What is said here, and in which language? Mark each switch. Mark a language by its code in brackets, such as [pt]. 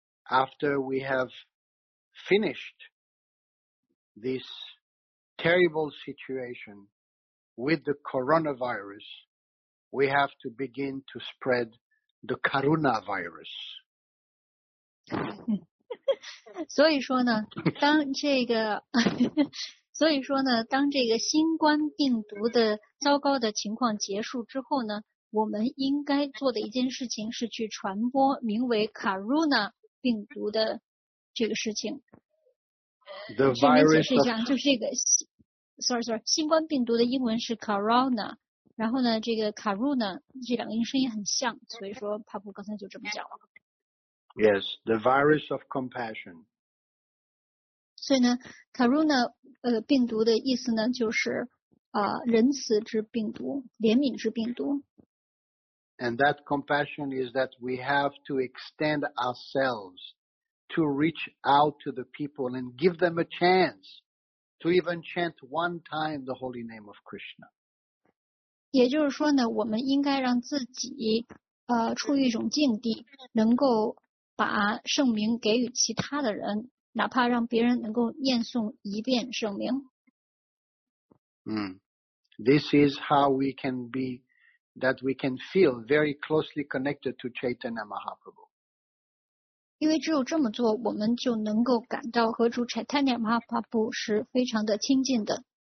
[en] After we have finished this terrible situation with the coronavirus, we have to begin to spread the Karuna virus. [zh] 所以说呢，当这个，所以说呢，当这个新冠病毒的糟糕的情况结束之后呢，我们应该做的一件事情是去传播名为 Karuna。病毒的这个事情，顺便解释一下，就是这个 ，sorry， 新冠病毒的英文是 corona， 然后呢，这个 karuna 这两个音声音很像，所以说帕布刚才就这么讲了。 [en] Yes, the virus of compassion。 [zh] 所以呢 ，karuna 病毒的意思呢，就是仁慈之病毒，怜悯之病毒。 [en] And that compassion is that we have to extend ourselves to reach out to the people and give them a chance to even chant one time the holy name of Krishna. [zh] 也就是说呢，我们应该让自己处于一种境地，能够把圣名给予其他的人，哪怕让别人能够念诵一遍圣名。 [en] This is how we can be, that we can feel very closely connected to Chaitanya Mahaprabhu. [zh] 因为只有这么做，我们就能够感到和主 Chaitanya Mahaprabhu 是非常的亲近的。